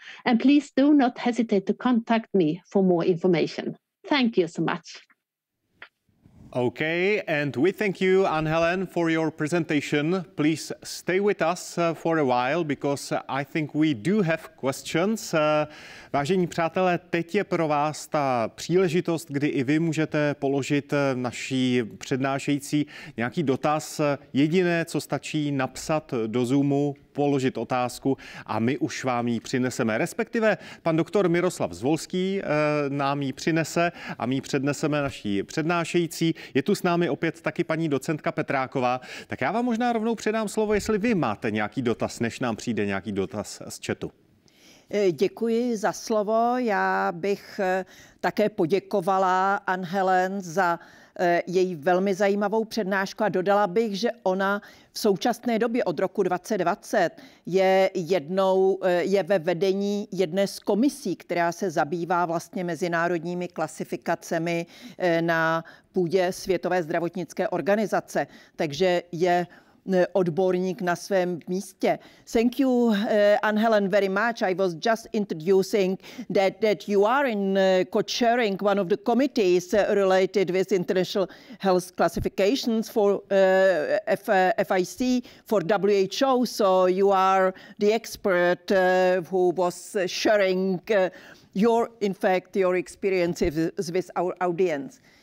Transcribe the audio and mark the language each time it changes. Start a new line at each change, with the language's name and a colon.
English: And please do not hesitate to contact me for more information. Thank you so much. Okay, and we thank you, Ann-Helen, for your presentation. Please stay with us for a while, because I think we do have questions.
Czech: Vážení přátelé, teď je pro vás ta příležitost, kdy i vy můžete položit naší přednášející nějaký dotaz. Jediné, co stačí, napsat do Zoomu, položit otázku a my už vám ji přineseme. Respektive pan doktor Miroslav Zvolský nám ji přinese a my ji předneseme naší přednášející. Je tu s námi opět taky paní docentka Petráková. Tak já vám možná rovnou předám slovo, jestli vy máte nějaký dotaz, než nám přijde nějaký dotaz z chatu. Děkuji za slovo. Já bych také poděkovala Ann-Helen za její velmi zajímavou přednášku a dodala bych, že ona v současné době od roku 2020 je ve vedení jedné z komisí, která se zabývá vlastně mezinárodními klasifikacemi na půdě Světové zdravotnické organizace. Takže je odborník na svém místě.
English: Thank you, Ann-Helen, very much. I was just introducing that you are in co-chairing one of the committees related with international health classifications for FIC for WHO. So you are the expert who was sharing your experiences with our audience.